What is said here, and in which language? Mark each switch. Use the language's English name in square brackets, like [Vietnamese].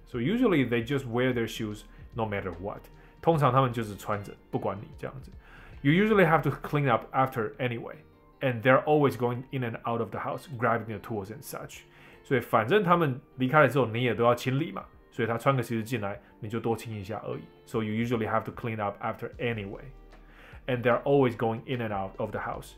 [English] So usually they just wear their shoes no matter what. [Chinese] 通常他们就是穿着不管你这样子。 [English] You usually have to clean up after anywayAnd they're always going in and out of the house, grabbing the tools and such. [Chinese] 所以反正他们离开了之后，你也都要清理嘛。所以他穿个鞋子进来，你就多清一下而已。 [English] So you usually have to clean up after anyway. And they're always going in and out of the house.